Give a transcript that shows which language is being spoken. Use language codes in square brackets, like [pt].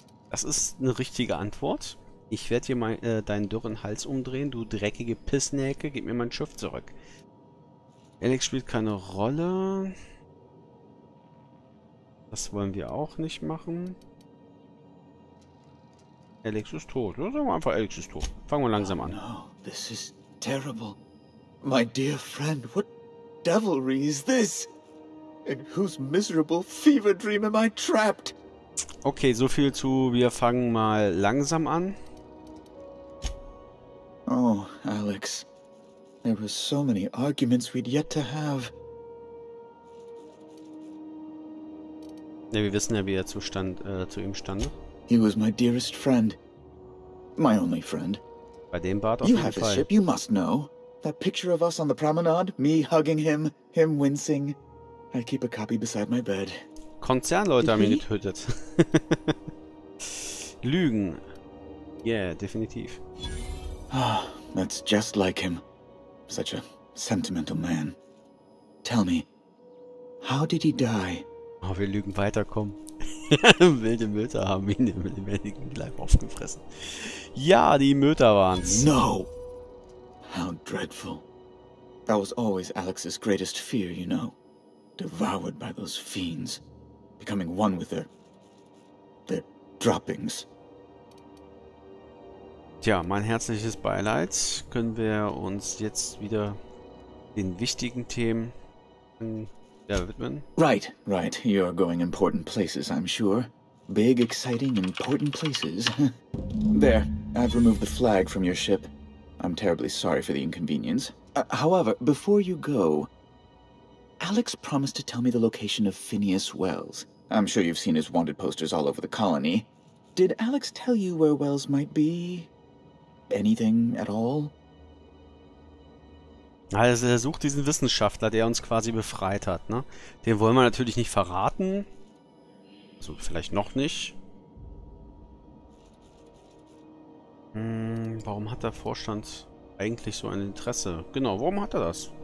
[de] Das ist eine richtige Antwort. Ich werde dir mal deinen dürren Hals umdrehen, du dreckige Pissnäcke. Gib mir mein Schiff zurück. Alex spielt keine Rolle. Das wollen wir auch nicht machen. Alex ist tot. Ja, sagen wir einfach, Alex ist tot. Fangen wir langsam an. [en] Oh, no. This is terrible. My dear friend, what devilry is this? In whose miserable fever dream am I trapped? [de] Okay, so viel zu, wir fangen mal langsam an. [en] Oh, Alex. There were so many arguments we'd yet to have. [de] Ja, wir wissen ja, wie er zu ihm stand. [en] He was my dearest friend. My only friend. [de] Bei dem Bart auf [en] you [de] jeden Fall. [en] You have a ship, you must know. That picture of us on the promenade, me hugging him, him wincing. I keep a copy beside my bed. [de] Konzernleute haben ihn getötet. Lügen. Yeah, definitiv. [en] Ah, that's just like him. Such a sentimental man. Tell me, how did he die? [de] Oh, wir lügen weiterkommen. Wilde Möter haben ihn im lebendigen Leib aufgefressen. Ja, die Möter waren's. [en] No! How dreadful. That was always Alex's greatest fear, you know. Devoured by those fiends. Becoming one with their droppings. [de] Tja, mein herzliches Beileid. Können wir uns jetzt wieder den wichtigen Themen widmen? [en] Right, right. You're going important places, I'm sure. Big, exciting, important places. There, I've removed the flag from your ship. I'm terribly sorry for the inconvenience. However, before you go, Alex promised to tell me the location of Phineas Wells. I'm sure you've seen his wanted posters all over the colony. Did Alex tell you where Wells might be? Anything at all? [de] Also er sucht diesen Wissenschaftler, der uns quasi befreit hat, ne? Den wollen wir natürlich nicht verraten. Also vielleicht noch nicht. Warum hat der Vorstand eigentlich so ein Interesse? Genau, warum hat er das?